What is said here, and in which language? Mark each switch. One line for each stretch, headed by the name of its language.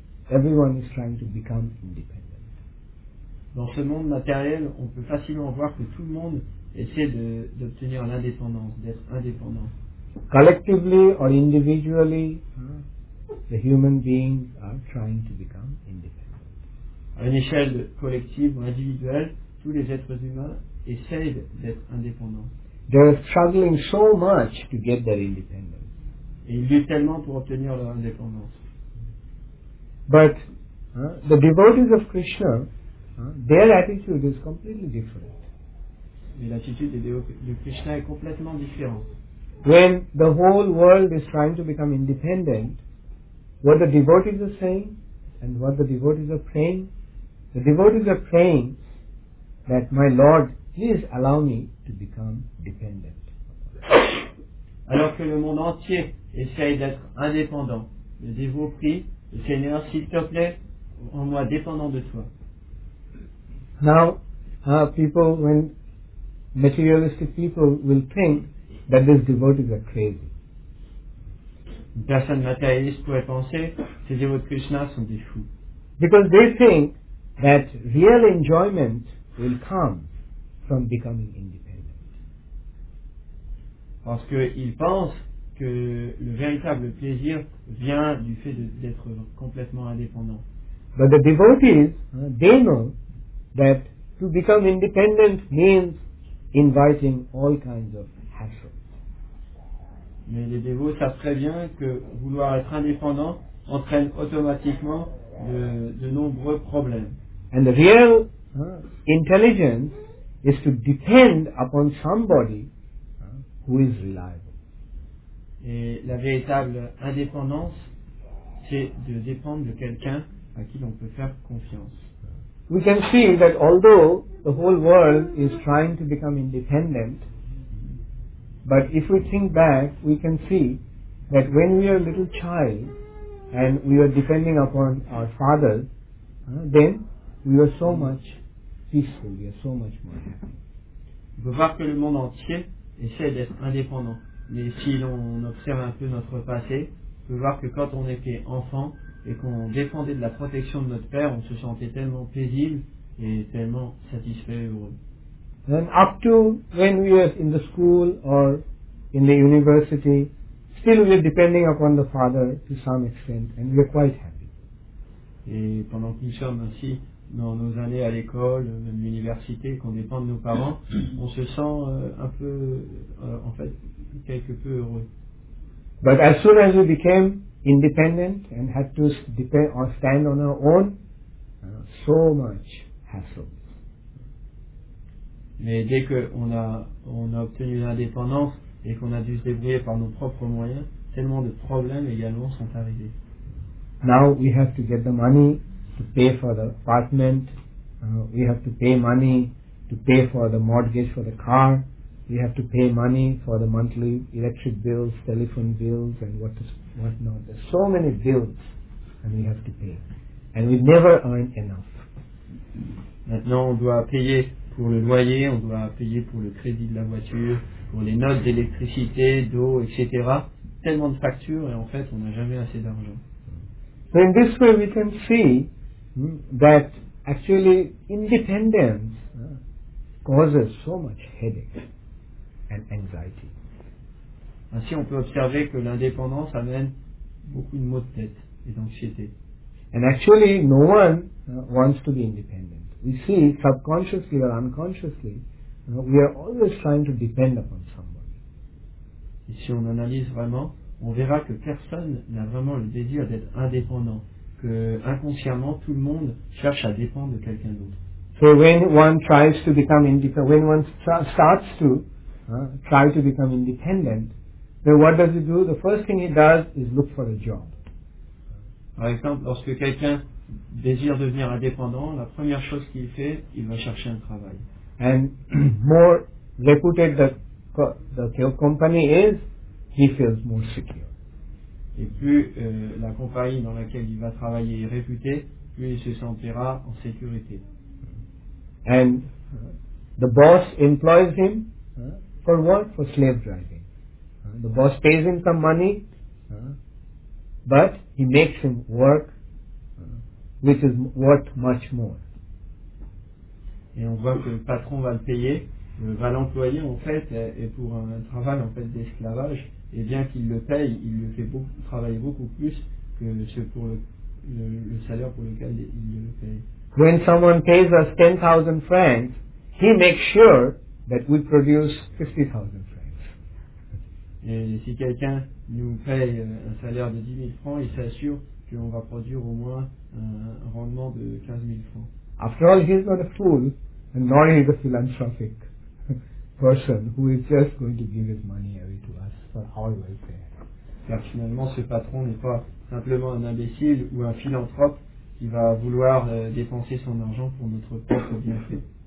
English: Everyone is trying to become independent.
French: Dans ce monde matériel, on peut facilement voir que tout le monde essaie d'obtenir l'indépendance, d'être indépendant.
English: Collectively or individually, the human beings are trying to become independent.
French: À une échelle collective ou individuelle, tous les êtres humains essayent d'être indépendants.
English: They are struggling so much to get their independence.
French: Et ils luttent tellement pour obtenir leur indépendance.
English: But the devotees of Krishna, their attitude is completely different.
French: Mais l'attitude de Krishna est complètement différente.
English: When the whole world is trying to become independent, what the devotees are saying and what the devotees are praying that my Lord, please allow me to become dependent.
French: Alors que le monde entier essaye d'être indépendant, le dévot prie, le Seigneur, s'il te plaît, rends-moi dépendant de toi.
English: Now, people, when materialistic people will think that these devotees are crazy.
French: Une personne matérialiste pourrait penser que ces dévots de Krishna sont des fous.
English: Because they think that real enjoyment will come from becoming independent.
French: Parce qu'ils pensent que le véritable plaisir vient du fait d'être complètement indépendant.
English: But the devotees, they know that to become independent means inviting all kinds of hassle.
French: Mais les dévots savent très bien que vouloir être indépendant entraîne automatiquement de nombreux problèmes.
English: And the real intelligence is to depend upon somebody who is reliable.
French: Et la véritable indépendance, c'est de dépendre de quelqu'un à qui l'on peut faire confiance.
English: We can see that although the whole world is trying to become independent, but if we think back, we can see that when we are a little child and we are depending upon our father, then we are so much peaceful, we are so much more happy.
French: On peut voir que le monde entier essaie d'être indépendant. Mais si l'on observe un peu notre passé, on peut voir que quand on était enfant et qu'on dépendait de la protection de notre père, on se sentait tellement paisible et tellement satisfait et heureux.
English: And up to when we are in the school or in the university, still we are depending upon the father to some extent and we are quite happy.
French: Et pendant que nous sommes ainsi dans nos années à l'école, même l'université, qu'on dépend de nos parents, on se sent un peu, en fait, quelque peu heureux.
English: But as soon as we became independent and had to depend or stand on our own, so much hassle.
French: Mais dès qu'on a obtenu l'indépendance et qu'on a dû se débrouiller par nos propres moyens, tellement de problèmes également sont arrivés.
English: Now we have to get the money to pay for the apartment, we have to pay money to pay for the mortgage for the car, we have to pay money for the monthly electric bills, telephone bills and what not. There's so many bills and we have to pay. And we never earn enough.
French: Maintenant on doit payer pour le loyer, on doit payer pour le crédit de la voiture, pour les notes d'électricité, d'eau, etc. Tellement de factures et en fait on n'a jamais assez d'argent.
English: So in this way we can see that actually independence causes so much headache and anxiety.
French: Ainsi on peut observer que l'indépendance amène beaucoup de maux de tête et d'anxiété.
English: And actually no one wants to be independent. We see, subconsciously or unconsciously, we are always trying to depend upon somebody.
French: Et si on analyse vraiment, on verra que personne n'a vraiment le désir d'être indépendant, que inconsciemment tout le monde cherche à dépendre de quelqu'un d'autre.
English: So when one tries to become independent, when one starts to try to become independent, then what does he do? The first thing he does is look for a job.
French: Par exemple, lorsque quelqu'un désire devenir indépendant, la première chose qu'il fait, il va chercher un travail.
English: And more reputed the company is, he feels more secure.
French: Et plus la compagnie dans laquelle il va travailler est réputée, plus il se sentira en sécurité.
English: And the boss employs him for what? For slave driving. The boss pays him some money, but he makes him work which is worth much more.
French: Et on voit que le patron va le payer, va l'employer en fait, et pour un travail en fait d'esclavage, et bien qu'il le paye, il le fait beaucoup, travailler beaucoup plus que ce pour le salaire pour lequel il le paye.
English: When someone pays us 10,000 francs, he makes sure that we produce 50,000 francs.
French: Et si quelqu'un nous paye un salaire de 10 000 francs, il s'assure qu'on va produire au moins un rendement de 15 000 francs.
English: After all, he is not a fool, and nor is he a philanthropic person who is just going to give his money away to us for our welfare.
French: Car finalement, ce patron n'est pas simplement un imbécile ou un philanthrope qui va vouloir dépenser son argent pour notre propre bienfait.